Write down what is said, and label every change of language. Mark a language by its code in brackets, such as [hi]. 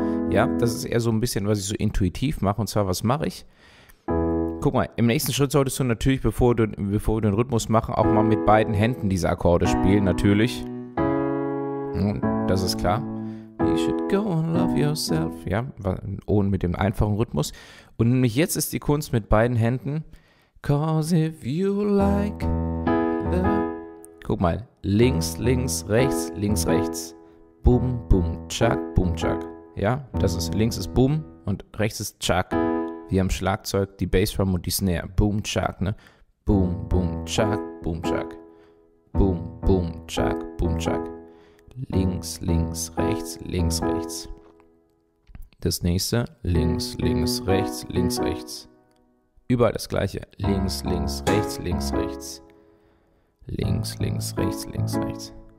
[de] Ja, das ist eher so ein bisschen, was ich so intuitiv mache. Und zwar, was mache ich? Guck mal, im nächsten Schritt solltest du natürlich, bevor wir den Rhythmus machen, auch mal mit beiden Händen diese Akkorde spielen, natürlich. Das ist klar. [en] You should go and love yourself. [de] Ja, ohne mit dem einfachen Rhythmus. Und nämlich jetzt ist die Kunst mit beiden Händen. [en] 'Cause if you like the... [de] Guck mal, links, links, rechts, boom, boom, tschak, boom, tschak. Ja, das ist, links ist Boom und rechts ist Chuck. Wie am Schlagzeug, die Bassdrum und die Snare. Boom, Chuck, ne? Boom, Boom, Chuck, Boom, Chuck. Boom, Boom, Chuck, Boom, Chuck. Links, links, rechts, links, rechts. Das nächste, links, links, rechts. Überall das gleiche. Links, links, rechts, links, rechts. Links, links, rechts.